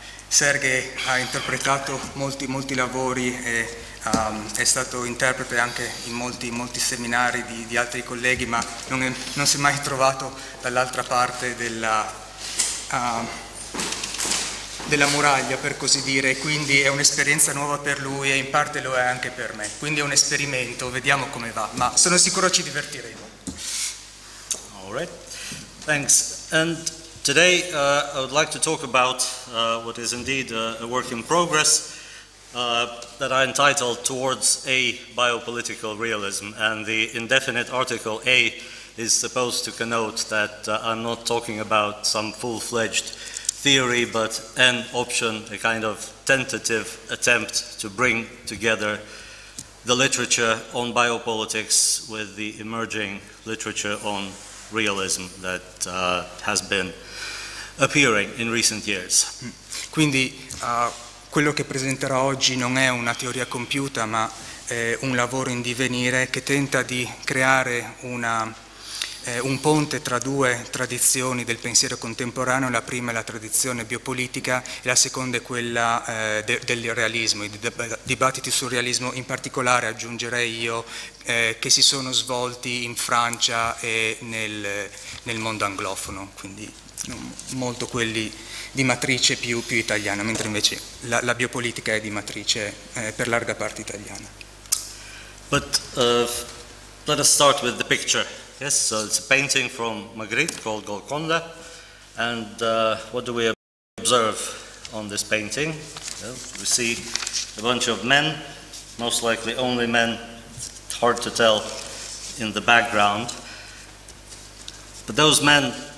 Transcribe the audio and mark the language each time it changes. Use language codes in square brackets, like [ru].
[it] Sergei ha interpretato molti molti lavori e è stato interprete anche in molti molti seminari di altri colleghi, ma non si è mai trovato dall'altra parte della muraglia, per così dire, quindi è un'esperienza nuova per lui e in parte lo è anche per me, quindi è un esperimento, vediamo come va, ma sono sicuro ci divertiremo. [en] All right, thanks. And today I would like to talk about what is indeed a work in progress that I entitled Towards a Biopolitical Realism, and the indefinite article A is supposed to connote that I'm not talking about some full-fledged theory, but an option, a kind of tentative attempt to bring together the literature on biopolitics with the emerging literature on realism that has been appearing in recent years. [it] Quindi quello che presenterò oggi non è una teoria compiuta, ma è un lavoro in divenire che tenta di creare un ponte tra due tradizioni del pensiero contemporaneo, la prima è la tradizione biopolitica e la seconda è quella del realismo, i dibattiti sul realismo, in particolare aggiungerei io, che si sono svolti in Francia e nel mondo anglofono, quindi molto quelli di matrice più italiana, mentre invece la biopolitica è di matrice per larga parte italiana. [en] But let us start with the picture. Yes, so it's a painting from Magritte called Golconda, and what do we observe on this painting? Well, we see a bunch of men, most likely only men, it's hard to tell in the background, but those men